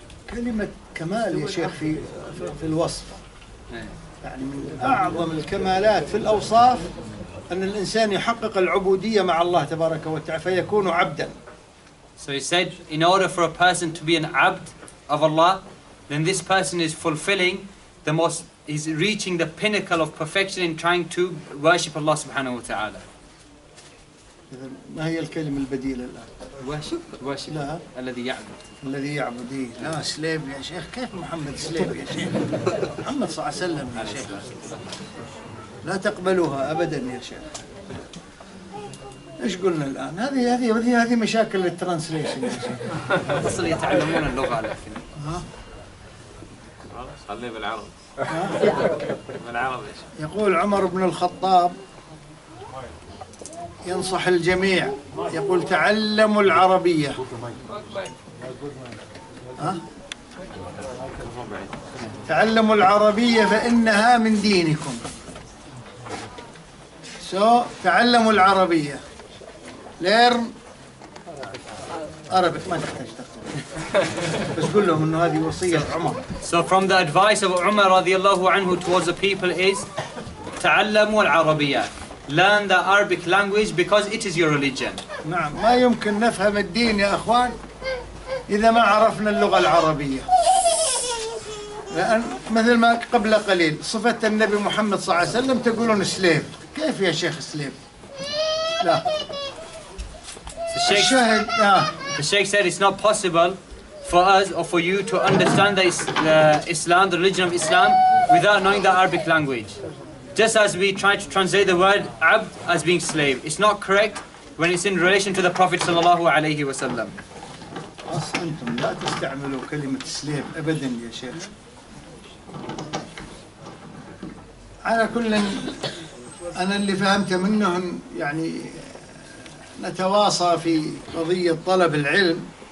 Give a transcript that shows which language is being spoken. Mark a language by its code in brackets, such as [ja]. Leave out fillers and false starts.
[ar] كلمة كمال يا شيخ في الوصف. يعني من أعظم الكمالات في الأوصاف. أن الإنسان يحقق العبودية مع الله تبارك وتعالى فيكون عبدا. [en] So he said, in order for a person to be an abd of Allah, then this person is fulfilling the most, is reaching the pinnacle of perfection in trying to worship Allah subhanahu wa ta'ala. [ar] ما هي الكلمة البديلة الآن؟ [en] worship. [ar] لا. الذي يعبد. لا سليب يا شيخ كيف محمد سليب يا شيخ؟ محمد صلى الله عليه وسلم يا شيخ. لا تقبلوها ابدا يا شيخ ايش قلنا الان هذه مشاكل الترانسليشن اصل يتعلمون اللغه على خلاص خليه بالعربي يا شيخ يقول عمر بن الخطاب ينصح الجميع يقول تعلموا العربيه تعلموا العربيه فانها من دينكم So, تعلموا العربية. [en] Learn Arabic. [ar] ما تحتاج تقصد. بس قول لهم إنه هذه وصية عمر. [en] So from the advice of Umar رضي الله عنه towards the people is [ar] تعلموا العربية. [en] Learn the Arabic language because it is your religion. [ar] نعم. ما يمكن نفهم الدين يا أخوان إذا ما عرفنا اللغة العربية. لأن مثل ما قبل قليل صفة النبي محمد صلى الله عليه وسلم تقولون سليف. كيف يا شيخ سليم؟ لا. الشاهد. [en] The Sheikh said it's not possible for us or for you to understand the Islam, the religion of Islam, without knowing the Arabic language. Just as we try to translate the word abd as being slave, it's not correct when it's in relation to the Prophet sallallahu alaihi wasallam. [ar] أنتم لا تستعملوا كلمة سليم أبداً يا شيخ. على كل أنا اللي فهمته منهم يعني نتواصى في قضية طلب العلم